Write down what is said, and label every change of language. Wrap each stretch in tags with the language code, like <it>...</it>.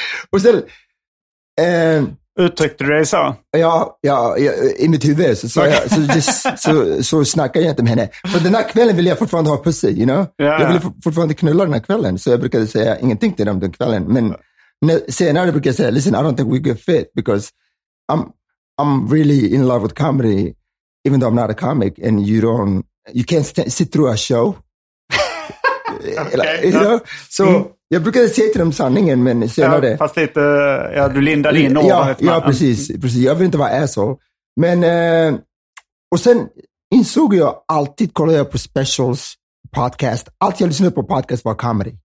<sv>Och sen uttryckte du dig så? Ja, i mitt huvud så sa jag, så snackade jag inte med henne. För den här kvällen vill jag fortfarande ha pussy,</sv> <en>you know?</en> <sv>Ja. Jag vill fortfarande knulla den här kvällen. Så jag brukade säga ingenting till dem den kvällen. Men senare brukade jag säga,</sv> <en>listen, I don't think we could fit because I'm really in love with comedy even though I'm not a comic and you can't sit through a show. Okay. You know? So,</en> <sv>jag brukade säga till dem sanningen, men senare... Ja, fast lite, ja, du lindade in ja, ovanligt. Ja, precis. Jag vill inte vara asshole. Men, och sen insåg jag alltid, kollade jag på specials, podcast. Allt jag lyssnade på podcast var comedy.</sv>